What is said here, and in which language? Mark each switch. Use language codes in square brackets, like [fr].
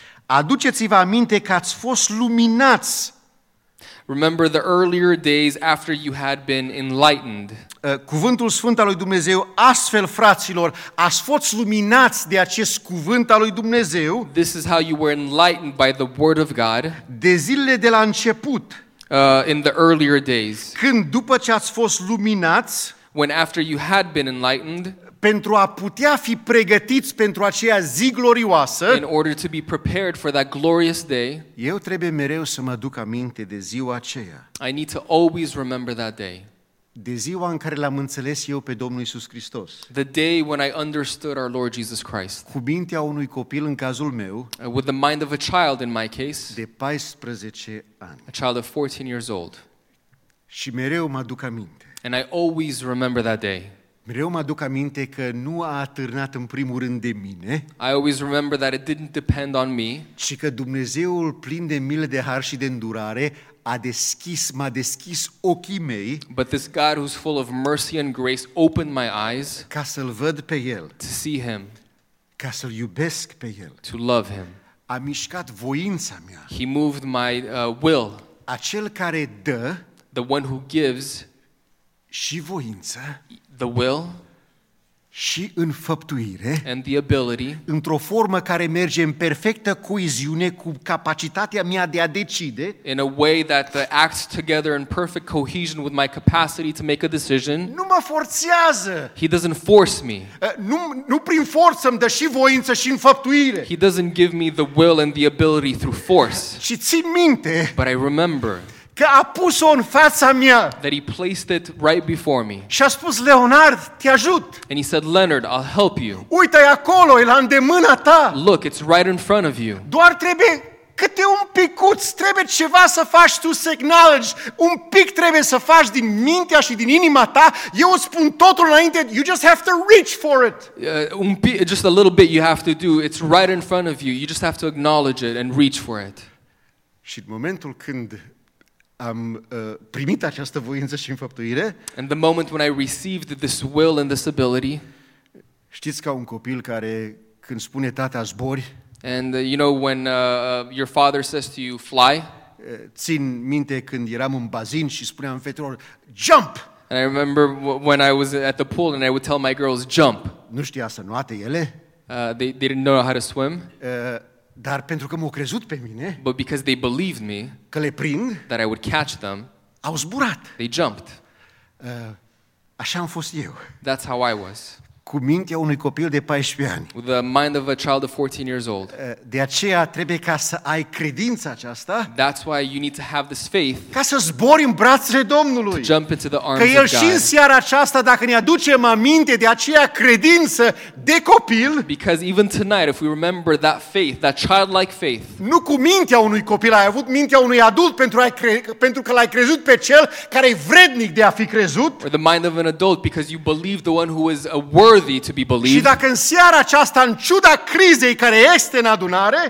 [ro] Aduceți-vă aminte că ați fost luminați. [en] Remember the earlier days after you had been enlightened. [ro] Cuvântul Sfânt al lui Dumnezeu, astfel, fraților, ați fost luminați de acest cuvânt al lui Dumnezeu. [en] This is how you were enlightened by the word of God. [ro] De zilele de la început. [en] In the earlier days. [ro] Când după ce ați fost luminați, [en] when after you had been enlightened, [ro] pentru a putea fi pregătiți pentru aceea zi glorioasă, [en] in order to be prepared for that glorious day, [ro] eu trebuie mereu să mă aduc aminte de ziua aceea. [en] I need to always remember that day. [ro] De ziua în care l-am înțeles eu pe Domnul Iisus Hristos. [en] The day when I understood our Lord Jesus Christ. [ro] Cu mintea unui copil în cazul meu. [en] With the mind of a child in my case. [ro] De 14 ani. [en] A child of 14 years old. [ro] Și mereu mă aduc aminte. [en] And I always remember that day. [ro] Mereu mă aduc aminte că nu a atârnat în primul rând de mine. [en] I always remember that it didn't depend on me. [ro] Ci că Dumnezeul plin de milă, de har și de îndurare m-a deschis ochii mei. [en] But this God who's full of mercy and grace opened my eyes. [ro] Ca să-l văd pe el. [en] To see him. [ro] Ca să-l iubesc pe el. [en] To love him. [ro] A mișcat voința mea. [en] He moved my will. [ro] Acel care dă. [en] The one who gives. [ro] Și voință. [en] The will, [ro] și înfăptuire, [en] and the ability, [ro] într-o formă care merge în perfectă coeziune cu capacitatea mea de a decide, [en] in a way that acts together in perfect cohesion with my capacity to make a decision. [ro] Nu mă forțează. [en] He doesn't force me. [ro] Nu prin forță îmi dă și voință și înfăptuire. [en] He doesn't give me the will and the ability through force. [ro] Și țin minte. [en] But I remember. [ro] Că a pus-o în fața mea. [en] That he placed it right before me. [ro] Și a spus, Leonard, te ajut. [en] And he said, Leonard, I'll help you. [ro] Uită-i acolo, e la îndemâna ta. [en] Look, it's right in front of you. [ro] Doar trebuie câte un picuț, trebuie ceva să faci tu, să acknowledge, un pic trebuie să faci din mintea și din inima ta. Eu îți spun totul înainte, [en] you just have to reach for it. Just a little bit you have to do, it's right in front of you. You just have to acknowledge it and reach for it. [ro] Și în momentul când am primit această voință și înfăptuire. [en] And the moment when I received this will and this ability. [ro] Știți, ca un copil care când spune tata zbori. [en] And you know when your father says to you fly. [ro] Țin minte când eram în bazin și spuneam fetelor jump. [en] And I remember when I was at the pool and I would tell my girls jump. [ro] Nu știa să nuate ele. [en] They didn't know how to swim. [ro] Dar pentru că m-au crezut pe mine, [en] but because they believed me, [ro] că le prind, [en] that I would catch them, [ro] au zburat. [en] They jumped. [ro] Așa am fost eu. [en] That's how I was. [ro] Cu mintea unui copil de 14 ani. [en] With the mind of a child of 14 years old. [ro] De aceea trebuie ca să ai credința aceasta. [en] That's why you need to have this faith. [ro] Ca să zbori în brațele Domnului. [en] To jump into the arms of God. [ro] Că El și în seara aceasta, dacă ne aducem aminte de aceea credință de copil. [en] Because even tonight, if we remember that faith, that childlike faith. [ro] Nu cu mintea unui copil, ai avut mintea unui adult pentru că l-ai crezut pe cel care e vrednic de a fi crezut. [en] With the mind of an adult, because you believe the one who is a worthy to be believed. [ro] Și dacă în seara aceasta, în ciuda crizei care este în adunare,